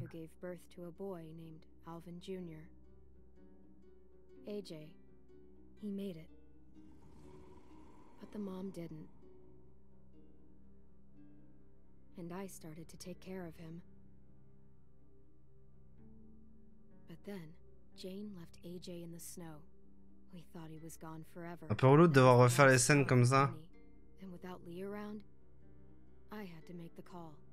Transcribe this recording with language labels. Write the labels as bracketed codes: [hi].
[en] Who gave birth to a boy named Alvin Jr. AJ, he made it. But the mom didn't. And I started to take care of him. But then, Jane left AJ in the snow. We thought he was gone forever. [fr] Un peu relou de devoir refaire les scènes comme ça. [en] And without Lee around, I had to make the call.